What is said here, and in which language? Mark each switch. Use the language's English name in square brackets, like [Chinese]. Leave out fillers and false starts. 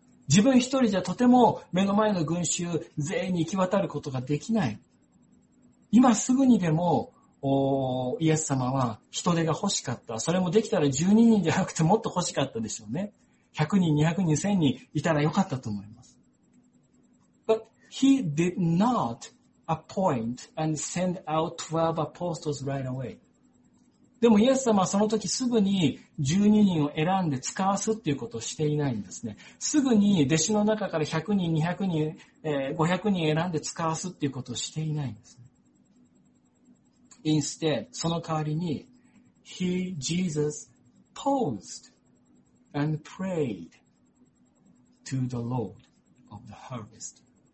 [Japanese] 自分一人じゃとても目の前の群衆全員に行き渡ることができない。今すぐにでもイエス様は人手が欲しかった。それもできたら12人じゃなくてもっと欲しかったでしょうね。100人、200人、1000人いたらよかったと思います。 [English] But he did not appoint and send out 12 apostles right away. [Japanese] でもイエス様はその時すぐに12人を選んで使わすっていうことをしていないんですね。すぐに弟子の中から100人、200人、500人選んで使わすっていうことをしていないんですね。 [English] Instead, [Japanese] その代わりに [English] He, Jesus, paused and prayed to the Lord of the harvest.